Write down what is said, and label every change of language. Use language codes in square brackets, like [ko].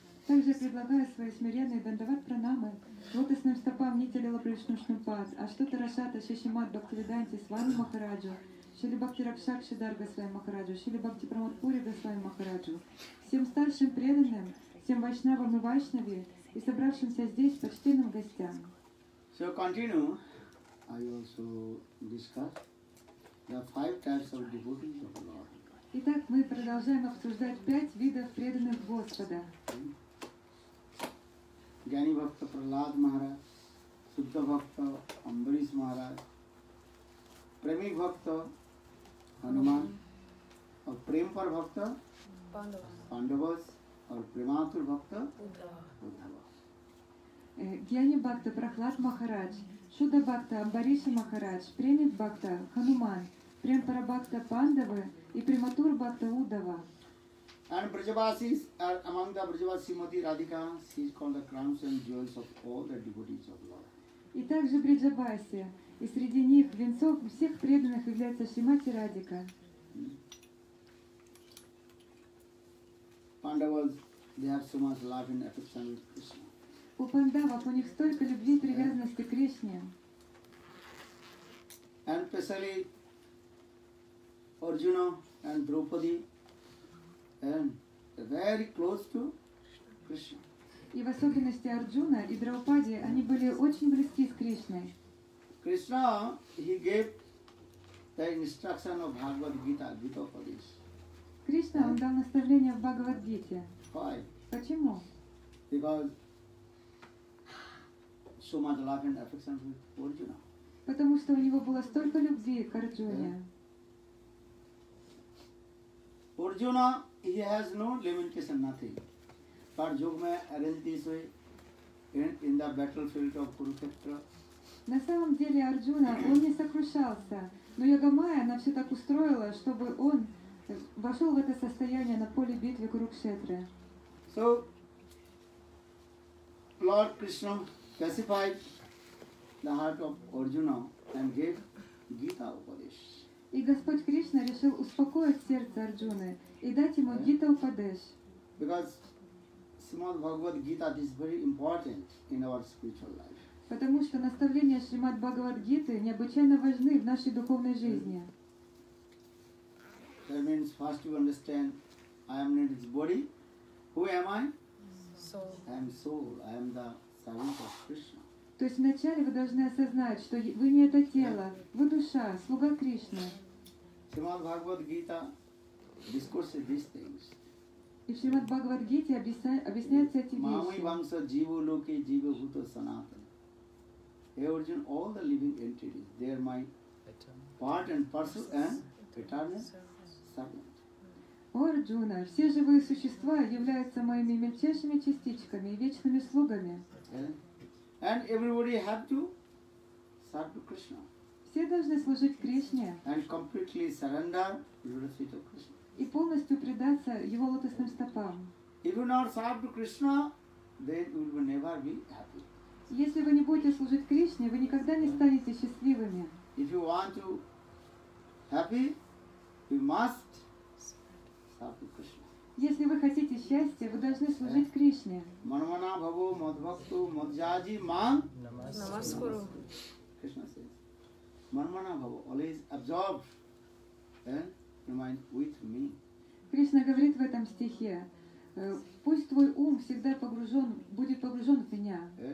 [ru] Также предлагаю свои смиренные дандават пранамы, лотосным стопам нити лила правичного шнупат, а что тарашата, шишимат, бхактивиданти, свами махараджу, шили бхакти ракшак, шидар, гасай махараджу, шили бхакти праматпури, гасай махараджу. Всем старшим преданным, всем вайшнавам и вайшнаве и собравшимся здесь почтенным гостям. [en] So continue. I also discuss. The five types of devotees of the Lord. [ru] Итак, мы продолжаем обсуждать пять видов преданных Господа. [sa] Гьяни Бхакта Прахлад Махарадж, Шуддха Бхакта Амбариш Махарадж, Преми Бхакта Хануман, or Премпар Бхакта Пандавас, or Прематур Бхакта Удхава. [ru] Гьяни Бхакта Прахлад Махарадж, Шуддха Бхакта Амбариш Махарадж, Преми Бхакта Хануман, Премпара Бхакта Пандавы и Приматур Бхакта Удава. [en] And Брджавасис are among the Брджавасис Мати Радика. She is called the crowns and jewels of all the devotees of Lord. [ru] И также Брджаваси, и среди них венцов всех преданных является Шимати Радика. [en] Pandavas, they have so much love and affection with Krishna. [ru] У пандавов у них столько любви и привязанности к Кришне. [en] And especially Arjuna and Draupadi and very close to Krishna. [ru] И в особенности Арджуна и Драупади, они были очень близки с Кришной. [en] Krishna, he gave the instruction of Bhagavad Gita, Gita Upadesh. [ru] Кришна, он дал наставление в Бхагавад Гите. [en] Why? [ru] Почему? [en] Because so much love and affection with Arjuna. [ru] Потому что у него было столько любви к Арджуне. [en] Arjuna, he has no limitation, nothing. But Yogma arranged this way in the battlefield of Kurukshetra. [ru] На самом деле Арджуна, он не сокрушался. Но Йогамая, она все так устроила, чтобы он вошел в это состояние на поле битвы Курукшетры. [en] So, Lord Krishna pacified the heart of Arjuna and gave Gita Upadesh. [ru] И Господь Кришна решил успокоить сердце Арджуны и дать ему Гита Упадеш. [en] Because Srimad Bhagavad Gita is very important in our spiritual life. [ru] Потому что наставления Шримад Бхагавад Гиты необычайно важны в нашей духовной жизни. [en] That means first you understand, I am not this body. Who am I? Soul. I am soul. I am the servant of Krishna. [ru] То есть вначале вы должны осознать, что вы не это тело, вы душа, слуга Кришны. [en] Шримад Бхагавад Гита discusses these things. [ru] И в Шримад Бхагавад Гите объясняются эти вещи. [sa] Мамы вамса джива локе джива бхута санатан. [en] Hey Arjuna, all the living entities, they are my part and parcel and eternal servant. [ru] О Арджуна, все живые существа являются моими мельчайшими частичками и вечными слугами. [en] And everybody have to serve to Krishna. [ru] Все должны служить Кришне. [en] And completely surrender lotus feet of Krishna. [ru] И полностью предаться его лотосным стопам. [en] If you not serve to Krishna, then you will never be happy. [ru] Если вы не будете служить Кришне, вы никогда не станете счастливыми. [en] If you want to happy, you must serve to Krishna. [ru] Если вы хотите счастья, вы должны служить Кришне. [sa] Манмана бхаво мадбхакто маджаджи ман. Намаскуру. [en] Кришна says, [sa] Манмана бхаво, [en] always absorb and remain with me. [ru] Кришна говорит в этом стихе, пусть твой ум всегда погружен, будет погружен в меня.